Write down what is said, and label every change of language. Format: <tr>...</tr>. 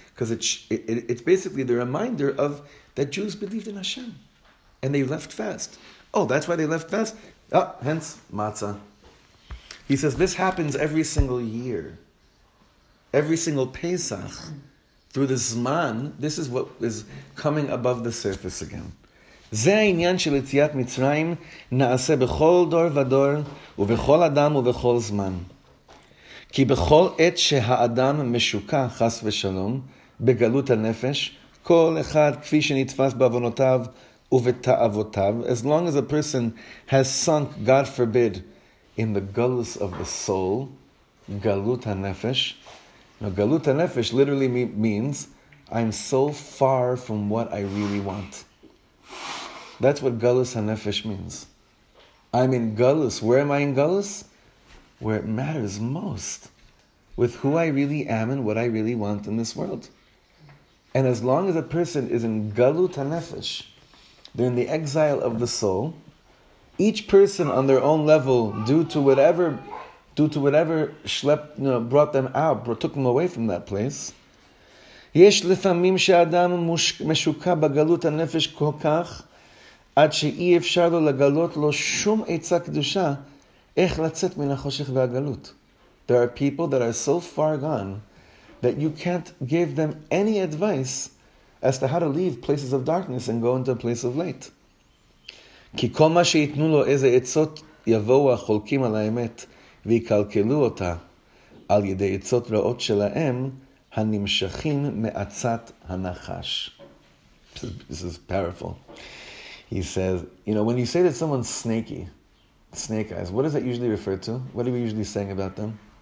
<en>Because it's basically the reminder of that Jews believed in Hashem. And they left fast. Oh, that's why they left fast? Oh, hence matzah. He says this happens every single year. Every single Pesach. Through the Zman, this is what is coming above the surface again.</en> <he>זה העניין של יציאת מצרים נעשה בכל דור ודור ובכל אדם ובכל זמן. כי בכל עת שהאדם משוקע חס ושלום בגלות הנפש, כל אחד כפי שנתפס בעוונותיו ובתאבותיו,</he> <en>as long as a person has sunk, God forbid, in the gullus of the soul,</en> <he>גלות הנפש.</he> <en>Now, גלות הנפש literally means I'm so far from what I really want. That's what galus hanefesh means. I'm in galus. Where am I in galus? Where it matters most. With who I really am and what I really want in this world. And as long as a person is in galut hanefesh, they're in the exile of the soul, each person on their own level, due to whatever brought them out, took them away from that place,</en> <he>יש לפעמים שאדם משוקע בגלות הנפש כל כך, עד שאי אפשר לו לגלות לו שום עצה קדושה איך לצאת מן החושך והגלות.</he> <en>There are people that are so far gone that you can't give them any advice as to how to leave places of darkness and go into a place of light.</en> <he>כי כל מה שיתנו לו איזה עצות יבואו החולקים על האמת ויקלקלו אותה על ידי עצות רעות שלהם הנמשכים מעצת הנחש.</he> <en>This is powerful. He says, you know, when you say that someone's snaky, snake eyes, what does that usually refer to? What are we usually saying about them?</en>